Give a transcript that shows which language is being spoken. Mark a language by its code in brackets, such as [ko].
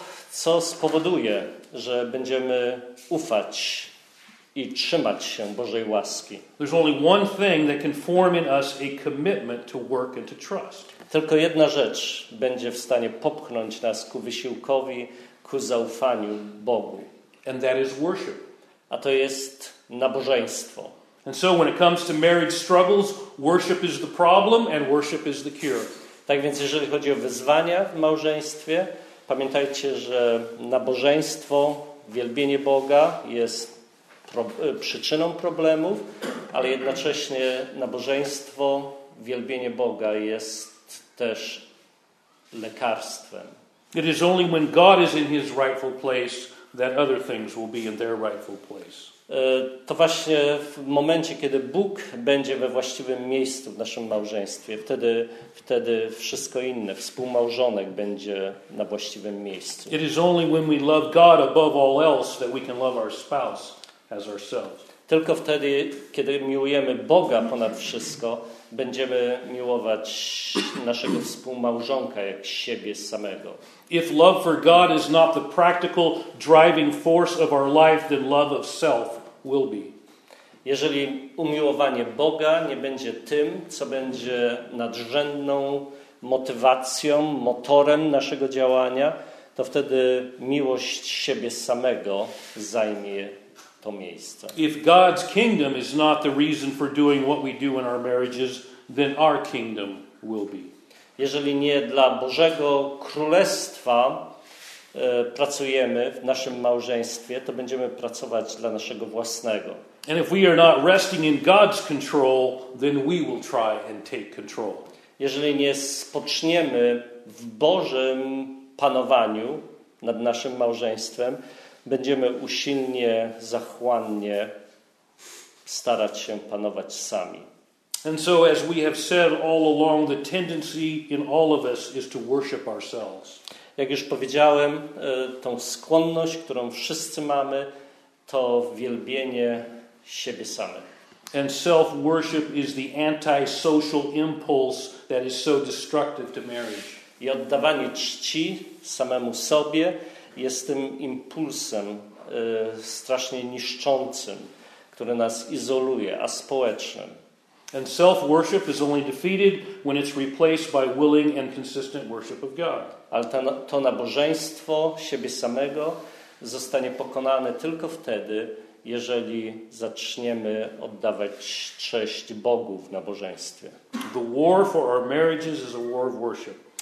[pl] Co spowoduje, że będziemy ufać i trzymać się Bożej łaski? [en] There's only one thing that can form in us a commitment to work and to trust. [pl] Tylko jedna rzecz będzie w stanie popchnąć nas ku wysiłkowi, ku zaufaniu Bogu. [en] And that is worship. [pl] A to jest nabożeństwo. [en] And so when it comes to marriage struggles, worship is the problem and worship is the cure. [pl] Tak więc jeżeli chodzi o wyzwania w małżeństwie, pamiętajcie, że nabożeństwo, wielbienie Boga jest przyczyną problemów, ale jednocześnie nabożeństwo, wielbienie Boga jest też lekarstwem. [en] It is only when God is in his rightful place that other things will be in their rightful place. [pl] To właśnie w momencie, kiedy Bóg będzie we właściwym miejscu w naszym małżeństwie, wtedy wszystko inne, współmałżonek będzie na właściwym miejscu. [en] It is only when we love God above all else that we can love our spouse as ourselves. [pl] Tylko wtedy, kiedy miłujemy Boga ponad wszystko, będziemy miłować naszego współmałżonka jak siebie samego. [en] If love for God is not the practical driving force of our life, then love of self will be. [pl] Jeżeli umiłowanie Boga nie będzie tym, co będzie nadrzędną motywacją, motorem naszego działania, to wtedy miłość siebie samego zajmie to miejsce. [en] If God's kingdom is not the reason for doing what we do in our marriages, then our kingdom will be. [pl] Jeżeli nie dla Bożego Królestwa pracujemy w naszym małżeństwie, to będziemy pracować dla naszego własnego. [en] And if we are not resting in God's control, then we will try and take control. [pl] Jeżeli nie spoczniemy w Bożym panowaniu nad naszym małżeństwem, będziemy usilnie, zachłannie starać się panować sami. [en] And so as we have said all along, the tendency in all of us is to worship ourselves. [pl] Jak już powiedziałem, tą skłonność, którą wszyscy mamy, to wielbienie siebie samych. [en] And self-worship is the antisocial impulse that is so destructive to marriage. [pl] I oddawanie czci samemu sobie jest tym impulsem strasznie niszczącym, który nas izoluje, aspołecznym. [en] And self-worship is only defeated when it's replaced by willing and consistent worship of God. [pl] Ale to nabożeństwo siebie samego zostanie pokonane tylko wtedy, jeżeli zaczniemy oddawać cześć Bogu w nabożeństwie. [en] The war for our marriages is a war of worship.